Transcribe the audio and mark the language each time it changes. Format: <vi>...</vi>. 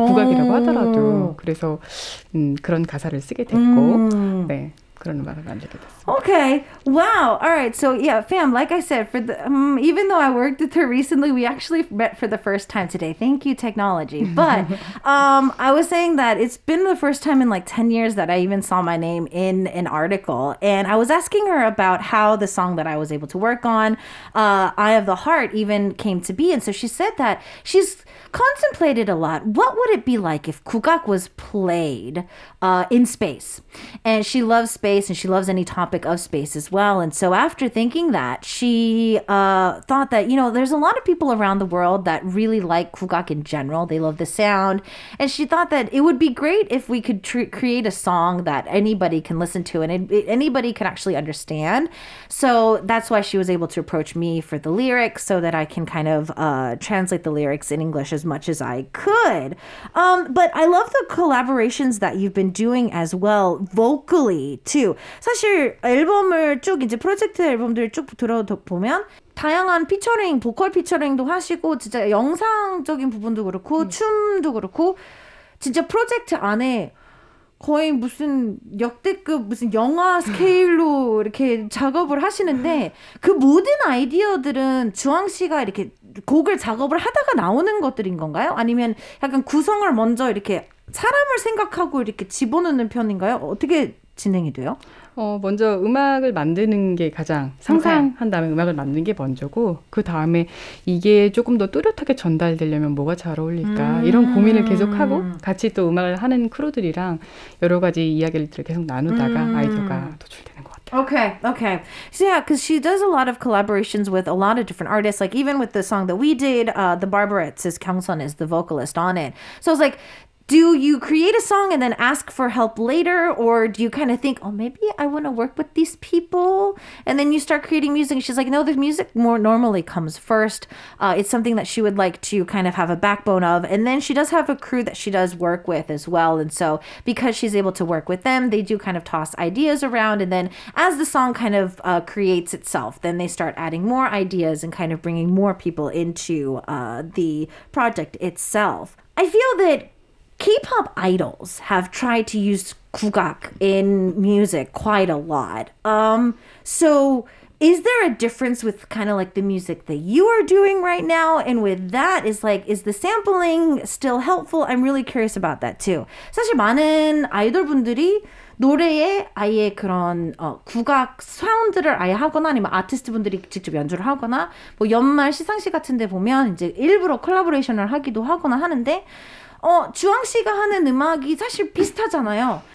<ko>국악이라고 하더라도. 그래서 그런 가사를 쓰게 됐고 네. 그런 음악을 만들게 됐습니다.</ko> <en>Okay. Wow. All right. So yeah, fam, like I said, for the even though I worked with her recently, we actually met for the first time today. Thank you, technology. But I was saying that it's been the first time in like 10 years that I even saw my name in an article. And I was asking her about how the song that I was able to work on, Eye of the Heart, even came to be. And so she said that she's contemplated a lot. What would it be like if 국악 was played in space? And she loves space and she loves any topic of space as well. And so after thinking that, she thought that, you know, there's a lot of people around the world that really like 국악 in general. They love the sound. And she thought that it would be great if we could create a song that anybody can listen to and anybody can actually understand. So that's why she was able to approach me for the lyrics so that I can kind of translate the lyrics in English as much as I could. But I love the collaborations that you've been doing as well, vocally too.</en> <ko>사실 앨범을 쭉 이제 프로젝트 앨범들을 쭉 들어보면 다양한 피처링, 보컬 피처링도 하시고 진짜 영상적인 부분도 그렇고 춤도 그렇고 진짜 프로젝트 안에 거의 무슨 역대급 무슨 영화 스케일로 이렇게 작업을 하시는데 그 모든 아이디어들은 주황 씨가 이렇게 곡을 작업을 하다가 나오는 것들인 건가요? 아니면 약간 구성을 먼저 이렇게 사람을 생각하고 이렇게 집어넣는 편인가요? 어떻게 진행이 돼요? 먼저 음악을 만드는 게 가장 상상한 다음에 음악을 만드는 게 먼저고 그 다음에 이게 조금 더 뚜렷하게 전달되려면 뭐가 잘 어울릴까 이런 고민을 계속하고 같이 또 음악을 하는 크루들이랑 여러 가지 이야기를 계속 나누다가 아이디어가 도출되는 것 같아요.</ko> <en>Okay, okay. So yeah, because she does a lot of collaborations with a lot of different artists. Like even with the song that we did, the Barbarettes, is Kyung Sun is the vocalist on it. So I was like, do you create a song and then ask for help later? Or do you kind of think, oh, maybe I want to work with these people? And then you start creating music. She's like, no, the music more normally comes first. It's something that she would like to kind of have a backbone of. And then she does have a crew that she does work with as well. And so because she's able to work with them, they do kind of toss ideas around. And then as the song kind of creates itself, then they start adding more ideas and kind of bringing more people into the project itself. I feel that K-pop idols have tried to use 국악 in music quite a lot. So is there a difference with kind of like the music that you are doing right now? And with that, is like, is the sampling still helpful? I'm really curious about that too.</en> <ko>사실 많은 아이돌분들이 노래에 아예 그런 국악 사운드를 아예 하거나 아니면 아티스트분들이 직접 연주를 하거나 뭐 연말 시상식 같은 데 보면 이제 일부러 콜라보레이션을 하기도 하거나 하는데 주황씨가 하는 음악이 사실 비슷하잖아요.</ko>